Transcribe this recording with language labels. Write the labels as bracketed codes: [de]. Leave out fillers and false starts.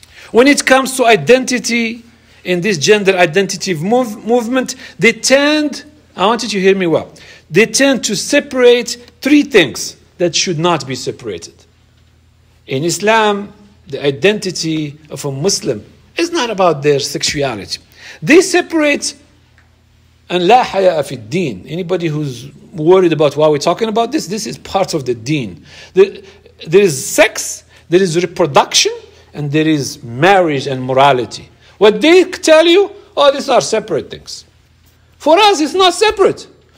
[en] When it comes to identity in this gender identity movement, they tend, I want you to hear me well, they tend to separate three things that should not be separated. In Islam, the identity of a Muslim is not about their sexuality. [ar] They separate, and لا حياء في الدين. [en] Anybody who's worried about why we're talking about this, this is part of the deen. There is sex, there is reproduction, and there is marriage and morality. What they tell you, oh, these are separate things. For us, it's not separate.